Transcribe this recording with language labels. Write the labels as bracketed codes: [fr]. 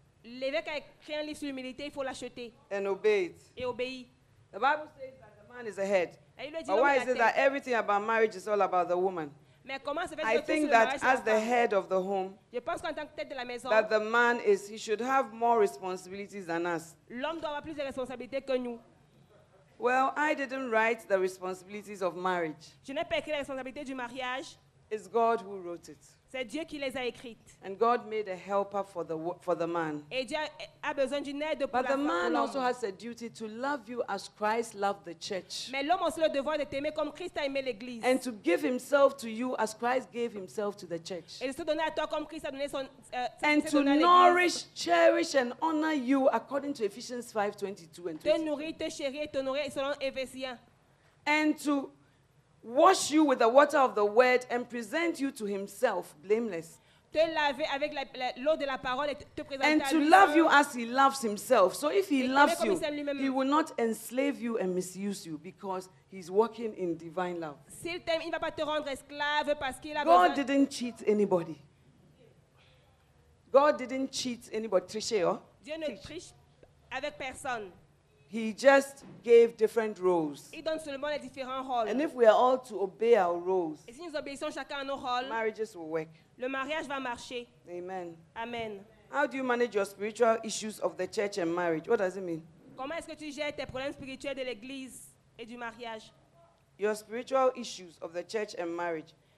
[fr] L'évêque a écrit un livre sur l'humilité, il faut l'acheter. [en] And obey it. [fr] Et obéit. [en] The Bible says that the man is ahead. [fr] Dit, [en] but why is it that everything about marriage is all about the woman? [fr] Mais comment se fait [en] I think [fr] sur [en] that [fr] le [en] as the head of the home, [fr] je pense qu'en tant que tête de la maison, [en] that the man is, he should have more responsibilities than us. [fr] L'homme doit avoir plus de responsabilités que nous. [en] Well, I didn't write the responsibilities of marriage. [fr] Je n'ai pas écrit les responsabilités du mariage. [en] It's God who wrote it. [fr] C'est Dieu qui les a écrites. [en] And God made a helper for the man. [fr] Et Dieu a besoin d'une aide pour [en] but the [fr] femme [en] man [fr] l'homme. [en] Also has a duty to love you as Christ loved the church. [fr] Mais l'homme aussi le devoir de t'aimer comme Christ a aimé l'église. [en] And to give himself to you as Christ gave himself to the church. [fr] Et se donner à toi comme Christ a donné son [en] and to nourish, cherish and honor you according to Ephesians 5:22 and 23. [fr] Te nourrir, te chérir et t'honorer selon Ephésiens. [en] And to wash you with the water of the word and present you to himself blameless. [fr] Te laver avec l'eau de la parole et te présenter [en] and [fr] à [en] to [fr] lui [en] love you as he loves himself. So if he [fr] et [en] loves you, he will not enslave you and misuse you because he's walking in divine love. [fr] S'il t'aime, il va pas te rendre esclave parce qu'il a [en] God [fr] besoin... [en] didn't cheat anybody. God didn't cheat anybody. [fr] Tricher, oh? Dieu ne triche avec personne. [en] He just gave different roles. [fr] Il donne seulement les différents rôles. [en] And if we are all to obey our roles, [fr] et si nous obéissons chacun à nos rôles, [en] marriages will work. [fr] Le mariage va marcher. [en] Amen. [fr] Amen. [en] How do you manage your spiritual issues of the church and marriage? What does it mean? [fr] Comment est-ce que tu gères tes problèmes spirituels de l'église et du mariage? [en] Your spiritual issues of the church and marriage.